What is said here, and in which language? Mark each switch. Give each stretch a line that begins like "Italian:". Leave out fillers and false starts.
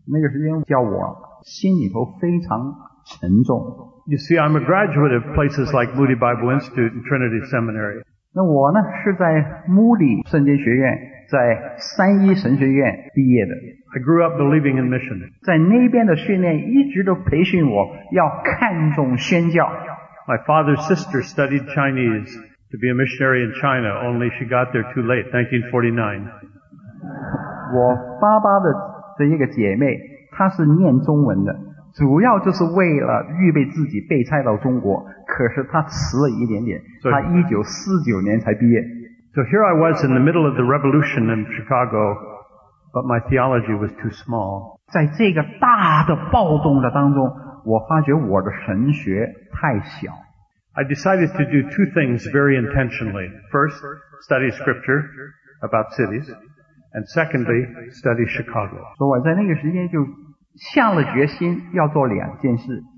Chinese: 那个时间叫我心里头非常沉重。
English: You see, I'm a graduate of places like Moody Bible Institute and Trinity Seminary.
Chinese: 那我呢是在 Moody 圣经学院在三一神学院毕业的。
English: I grew up believing in mission.
Chinese: 在那边的训练一直都培训我要看重宣教。
English: My father's sister studied Chinese to be a missionary in China, only she got there too late, 1949.
Chinese: 我爸爸的一个姐妹他是念中文的主要就是为了预备自己被差到中国可是他迟了一点点他1949年才毕业。
English: So here I was in the middle of the revolution in Chicago, but my theology was too small.
Chinese: 在这个大的暴动的当中我发觉我的神学太小。
English: I decided to do two things very intentionally. First, study scripture about cities. And secondly, study Chicago.
Chinese: 所以我在那个时间就下了决心要做两件事。